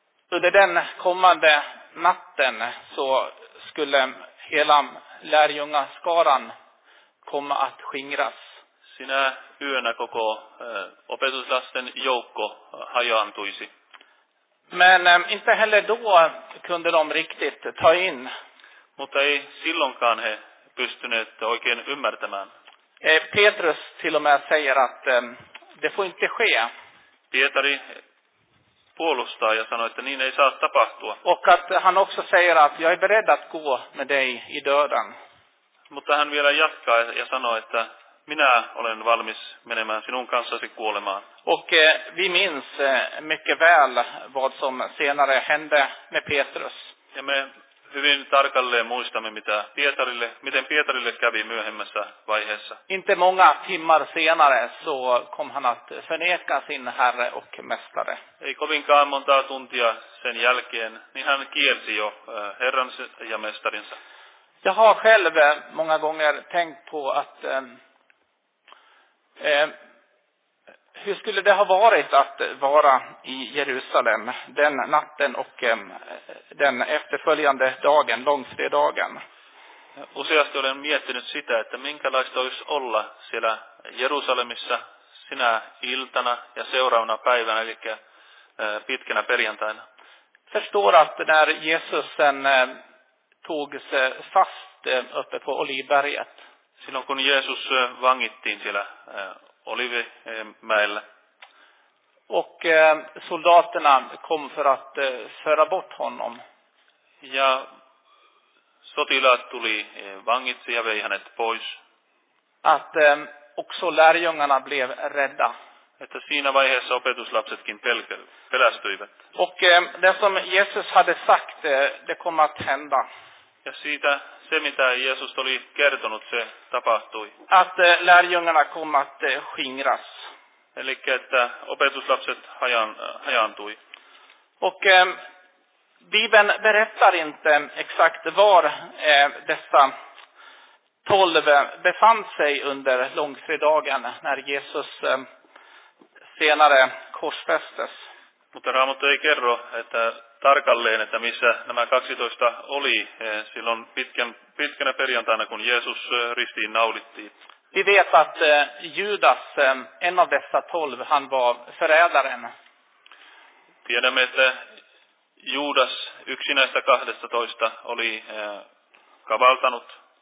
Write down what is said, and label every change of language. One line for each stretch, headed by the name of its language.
Swedish: Under den kommande natten så skulle hela lärjungaskaran komma att skingras.
Finnish: Sinä yönä koko opetuslasten joukko hajaantuisi.
Swedish: Men inte heller då kunde de riktigt ta in.
Finnish: Mutta ei silloinkaan he pystyneet oikein ymmärtämään.
Swedish: Petrus till och med säger att det får inte ske.
Finnish: Pietari puolustaa ja sanoi, että niin ei saa tapahtua.
Swedish: Och att han också säger att jag är beredd att gå med dig i döden.
Finnish: Mutta hän vielä jatkaa ja sanoi, että minä olen valmis menemään sinun kanssasi kuolemaan.
Swedish: Och vi minns mycket väl vad som senare hände med Petrus.
Finnish: Ja me hyvin tarkalleen muistamme, miten Pietarille kävi myöhemmässä vaiheessa.
Swedish: Inte många timmar senare så kom han att förneka sin herre och mästare.
Finnish: Ei kovinkaan montaa tuntia sen jälkeen, niin hän kielsi jo herran ja mestarinsa.
Swedish: Jag har själv många gånger tänkt på att hur skulle det ha varit att vara i Jerusalem den natten och den efterföljande dagen, långfredagen?
Finnish: Useasti olen miettinyt sitä, että minkälaista olisi olla siellä Jerusalemissa sinä iltana ja seuraavana päivänä, eli pitkänä perjantaina.
Swedish: Förstår att när Jesus togs fast uppe på Olivberget.
Finnish: Silloin kun Jeesus vangittiin siellä Olivimäellä.
Swedish: Och soldaterna kom för att föra bort honom.
Finnish: Ja sotilaat tuli vangitsi ja vei hänet pois.
Swedish: Att också lärjungarna blev rädda.
Finnish: Että siinä vaiheessa opetuslapsetkin pelästyivät.
Swedish: Och det som Jesus hade sagt, det kom att hända.
Finnish: Ja siitä se, mitä Jeesus oli kertonut, se tapahtui.
Swedish: Att lärjungarna kom att skingras.
Finnish: Eli että opetuslapset hajaantui.
Swedish: Och Bibeln berättar inte exakt var dessa 12 befann sig under långfredagen när Jesus senare korsfästes.
Finnish: Mutta Raamattu ei kerro, että tarkalleen, että missä nämä 12 oli silloin pitkänä perjantaina, kun Jeesus ristiin naulittiin.
Swedish: Vi vet att Judas, en av dessa 12, han var förrädaren.
Finnish: Tiedämme, että Judas, yksi näistä 12, oli kavaltanut.